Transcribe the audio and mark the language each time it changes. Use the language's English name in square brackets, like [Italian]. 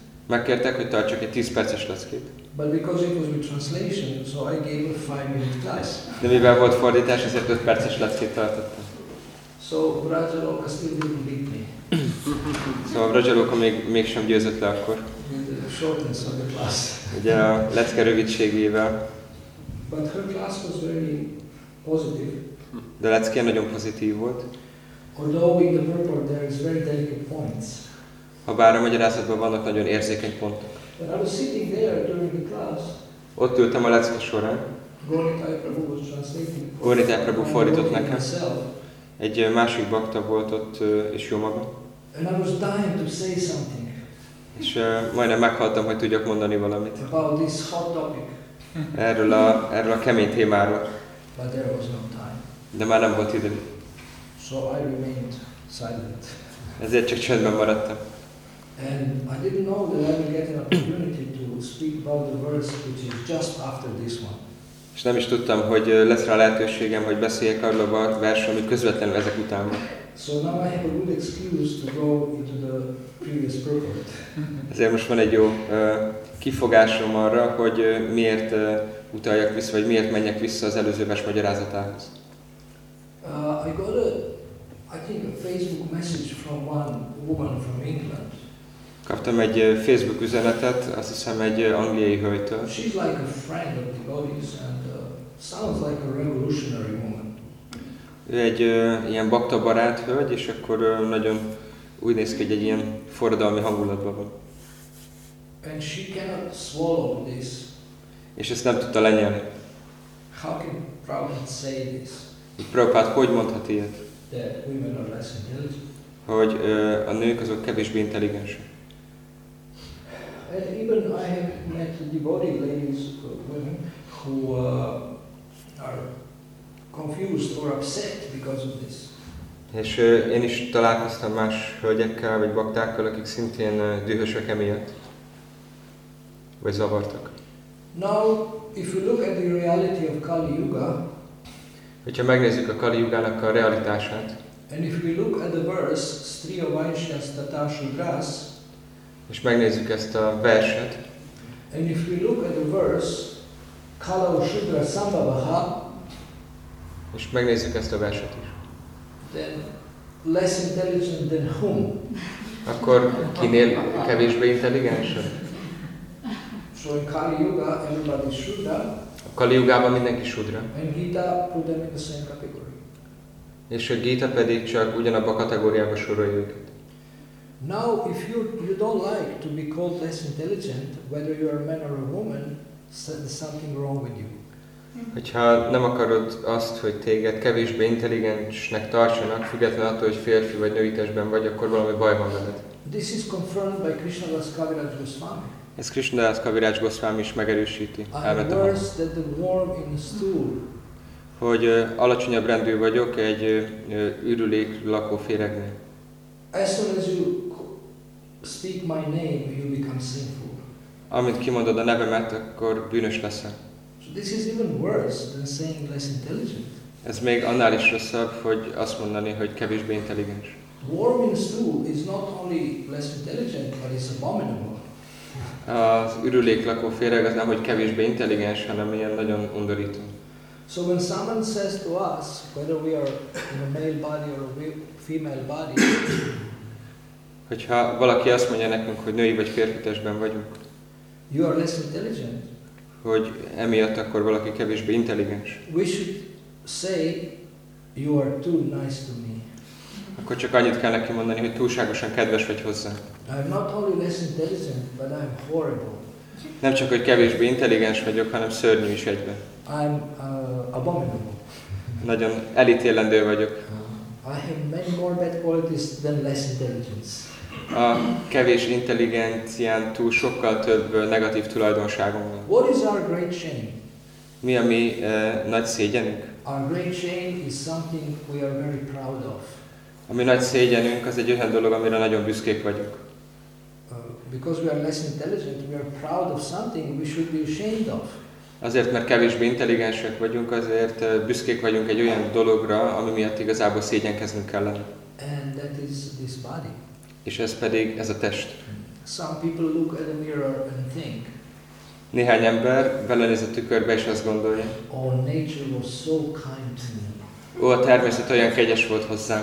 [Hungarian] Megkértek, hogy tartsak egy 10 perces leckét. [English] But because it was with translation, so I gave a 5-minute class. [Hungarian] De mivel volt fordítás, ezért 5 perces leckét tartottam. [English] So Raja Loka still didn't beat me. [Hungarian] Szóval Raja Loka mégsem győzött le akkor. [English] The shortness of the class. [Hungarian] Ugye a lecke rövidségével. [English] But her class was very positive. [Hungarian] De a leckén nagyon pozitív volt. [English] Although in the purport there is very delicate points. [Hungarian] Habár a magyarázatban vannak nagyon érzékeny pontok. [English] But I was sitting there during the class. [Hungarian] Ott ültem a lecke során. [English] Gornitai Prabhu was translating. [Hungarian] Gornitai Prabhu fordított nekem. Egy másik bakta volt ott, és jó maga. [English] And I was dying to say something. [Hungarian] És majdnem meghaltam, hogy tudjak mondani valamit. [English] About this hot topic. [Hungarian] Erről a kemény témáról. [English] But there was no time. [Hungarian] De már nem volt idő. [English] So I remained silent. [Hungarian] Ezért csak csendben maradtam. [English] And I didn't know that I would get an opportunity to speak about the verse which is just after this one. [Hungarian] És nem is tudtam, hogy lesz rá lehetőségem, hogy beszéljek arról a vers, ami közvetlenül ezek után. [English] So now I have a good excuse to go into the previous prophet. [Hungarian] Ezért most van egy jó kifogásom arra, hogy miért utaljak vissza, vagy miért menjek vissza az előző vers magyarázatához. [English] I got a, I think a Facebook message from one woman from England. [Hungarian] Kaptam egy Facebook üzenetet, azt hiszem egy angliai hölgytől. [English] She's like a friend of the goddess and sounds like a revolutionary woman. [Hungarian] Ő egy ilyen bakta barát hölgy, és akkor nagyon úgy néz ki, hogy egy ilyen forradalmi hangulatban van. [English] And she cannot swallow this. [Hungarian] És ezt nem tudta lenyelni. [English] How can Prabhupada say this? [Hungarian] Prabhupada hogy mondhat ilyet? [English] That women are less intelligent. [Hungarian] Hogy a nők azok kevésbé intelligensek. [English] And even I have met devoted ladies, women, who are confused or upset because of this. [Hungarian] És én is találkoztam más hölgyekkel, vagy baktákkal, akik szintén dühösök emiatt, vagy zavartak. [English] Now, if you look at the reality of Kali Yuga, [Hungarian] hogyha megnézzük a Kali Yugának a realitását, [English] and if we look at the verse, [Sanskrit] Striya Vaishyas Tatashu Gras, [Hungarian] és megnézzük ezt a verset. [English] And if we look at the verse, [Sanskrit] Kalau Shudra Sambhavaha, [Hungarian] és megnézzük ezt a verset is. [English] Then less intelligent than whom? [Hungarian] Akkor kinél kevésbé intelligensebb? [English] So in Kali Yuga, everybody is Shudra. [Hungarian] A Kali Yugában mindenki Shudra. [English] And Gita put them in the same category. [Hungarian] És a Gita pedig csak ugyanabba a kategóriába sorolja őket. [English] Now, if you don't like to be called less intelligent, whether you are a man or a woman, there's something wrong with you. [Hungarian] Hogyha nem akarod azt, hogy téged kevésbé intelligensnek tartsanak, függetlenül attól, hogy férfi vagy női testben vagy, akkor valami baj van veled. [English] This is confirmed by Krishnadas Kaviraj Goswami. [Hungarian] Ez Krishnadas Kaviraj Goswami is megerősíti. [English] I'm worse than the worm in the stool. [Hungarian] Hogy alacsonyabb rendű vagyok egy ürülék lakó féregnél. [English] As soon as you speak my name, you become sinful. [Hungarian] Amint kimondod a nevemet, akkor bűnös leszel. [English] So this is even worse than saying less intelligent. [Hungarian] Ez még annál is rosszabb, hogy azt mondani, hogy kevésbé intelligens. [English] Worm in stool is not only less intelligent, but it's abominable. [Hungarian] Az ürülék lakó féreg az nem, hogy kevésbé intelligens, hanem ilyen nagyon undorító. [English] So when someone says to us, whether we are in a male body or a female body, [Hungarian] hogyha valaki azt mondja nekünk, hogy női vagy férfi testben vagyunk, [English] you are less intelligent, [Hungarian] hogy emiatt akkor valaki kevésbé intelligens, [English] we should say, you are too nice to me. [Hungarian] Akkor csak annyit kell neki mondani, hogy túlságosan kedves vagy hozzá. [English] I am not only less intelligent, but I am horrible. [Hungarian] Nem csak, hogy kevésbé intelligens vagyok, hanem szörnyű is egyben. [English] I'm abominable. [Hungarian] Nagyon elítélendő vagyok. [English] I have many more bad qualities than less intelligence. [Hungarian] A kevés intelligencián túl sokkal több negatív tulajdonságom van. [English] What is our great shame? [Hungarian] Mi a mi nagy szégyenünk? [English] Our great shame is something we are very proud of. [Hungarian] A mi nagy szégyenünk az egy olyan dolog, amire nagyon büszkék vagyunk. [English] Because we are less intelligent, we are proud of something we should be ashamed of. [Hungarian] Azért, mert kevésbé intelligensek vagyunk, azért büszkék vagyunk egy olyan dologra, ami miatt igazából szégyenkeznünk kellene. [English] And that is this body. [Hungarian] És ez pedig ez a test. [English] Some people look at the mirror and think. [Hungarian] Néhány ember belenéz a tükörbe és azt gondolja. [English] Oh, nature was so kind to me. [Hungarian] Ó, a természet olyan kegyes volt hozzám.